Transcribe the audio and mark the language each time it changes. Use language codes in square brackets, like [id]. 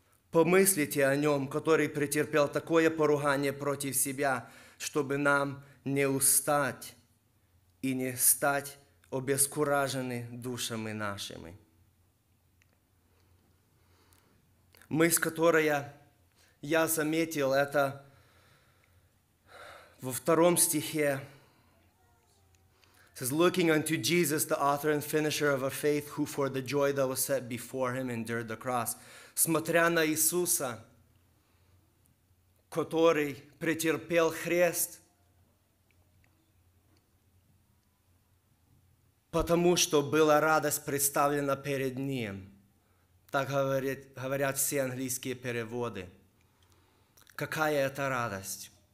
[ru] Помыслите о нем, который претерпел такое поругание против себя, чтобы нам не устать и не стать обескуражены душами нашими. Мысль, которую я заметил, это во втором стихе. [en] It says, looking unto Jesus, the author and finisher of our faith, who for the joy that was set before him endured the cross. [ru] Смотря на Иисуса, который претерпел крест, потому что была радость представлена перед ним. Так говорят все английские переводы. Какая это радость?